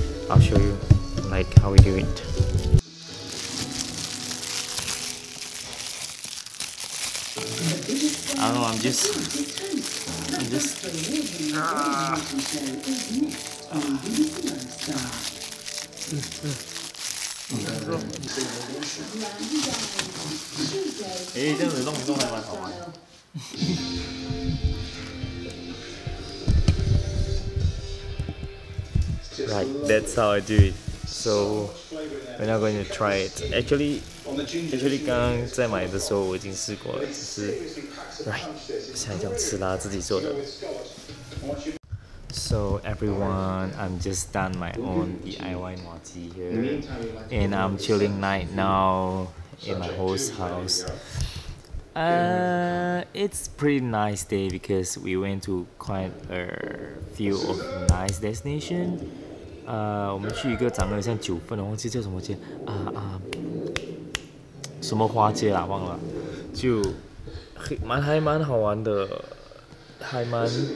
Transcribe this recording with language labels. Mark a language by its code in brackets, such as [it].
[en] I'll show you like how we do it. I don't know. Right, that's how I do it. So we're now going to try it. Actually, [zh] 其实你刚刚在买的时候我已经试过了，只是 right, 现在想吃啦，自己做的。 [en] So everyone, I'm just done my own DIY 麻吉 here, and I'm chilling night now in my host house. It's pretty nice day because we went to quite a few of nice destination. [zh] 我们去一个长得像九份，忘记叫什么街啊啊， 什么花街啦，忘了，就还蛮好玩的，还蛮。